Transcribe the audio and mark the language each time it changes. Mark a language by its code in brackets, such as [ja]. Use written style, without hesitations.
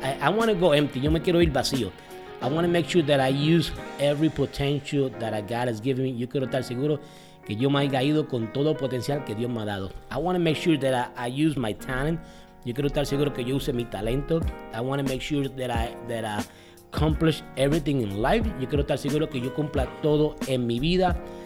[en] I want to go empty, [es] yo me quiero ir vacío. [en] I want to make sure that I use every potential that God has given me. [es] Yo quiero estar seguro que yo me haya ido con todo el potencial que Dios me ha dado. [en] I want to make sure that I use my talent. [es] Yo quiero estar seguro que yo use mi talento. [en] I want to make sure that I accomplish everything in life. [es] Yo quiero estar seguro que yo cumpla todo en mi vida.